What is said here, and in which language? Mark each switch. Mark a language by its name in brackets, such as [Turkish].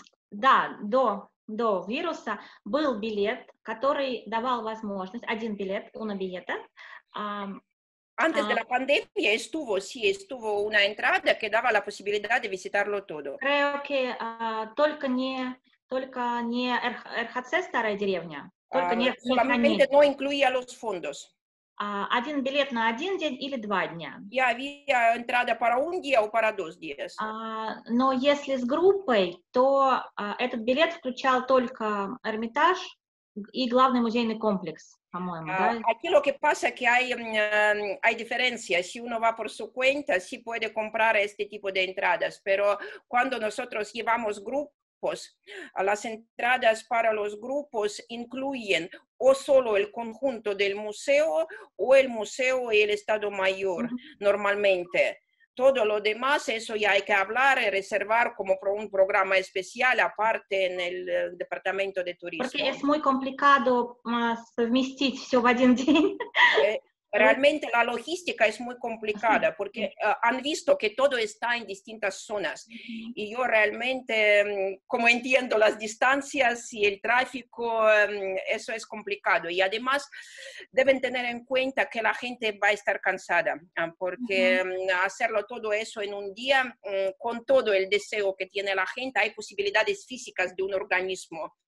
[Russian] Да, до вируса был билет, который давал возможность, один билет, [Spanish] una billeta. Antes de la pandemia estuvo, sí, estuvo una entrada que daba la posibilidad de visitarlo todo. Creo que [Russian] только не RHC, старая деревня. [Spanish] Solamente no incluía los fondos. [Russian] Один билет на один день или два дня. [Spanish] Y había entrada para un día o para dos días. [Russian] Но если с группой, то этот билет включал только Эрмитаж y главный музейный комплекс. [Spanish] Aquí lo que pasa es que hay diferencias. Si uno va por su cuenta, sí puede comprar este tipo de entradas, pero cuando nosotros llevamos grupos, las entradas para los grupos incluyen o solo el conjunto del museo o el museo y el Estado Mayor, normalmente. Todo lo demás, eso ya hay que hablar y reservar como para un programa especial, aparte en el departamento de turismo. Porque es muy complicado [Russian] совместить все в один день. [Spanish] Realmente la logística es muy complicada porque han visto que todo está en distintas zonas y yo realmente, como entiendo las distancias y el tráfico, eso es complicado. Y además deben tener en cuenta que la gente va a estar cansada porque hacerlo todo eso en un día, con todo el deseo que tiene la gente, hay posibilidades físicas de un organismo.